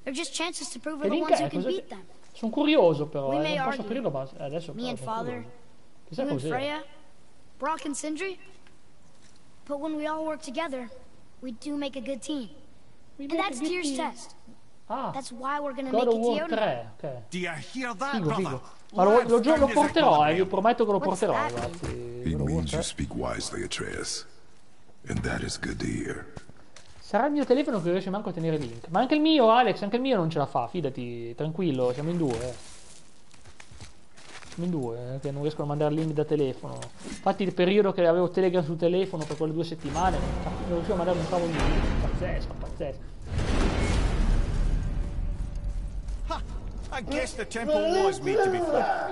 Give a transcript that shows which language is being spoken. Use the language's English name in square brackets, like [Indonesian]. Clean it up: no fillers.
[English] They're just chances to prove we're the ones who can beat them. [Italian] Sono curioso però, non posso aprirlo, ma adesso... [English] Me and father, you and Freya. Brock and Sindri? But when we all work together, we do make a good team. And that's Tyr's test. Ah. That's why we're gonna make it to Yoda. Okay. Do you hear that, figo, brother? Figo. [Italian] Ma lo porterò, vi prometto che lo porterò. [English] It means you speak wisely, Atreus. And that is good to hear. [Italian] Sarà il mio telefono che riesce manco a tenere Link. Ma anche il mio, Alex, anche il mio non ce la fa. Fidati, tranquillo, siamo in due. Siamo in due, che non riescono a mandare Link da telefono. Infatti il periodo che avevo Telegram sul telefono per quelle due settimane non riuscivo a mandare un cavolo di Link. Pazzesco, pazzesco. [English] I guess the temple was meant to be flipped.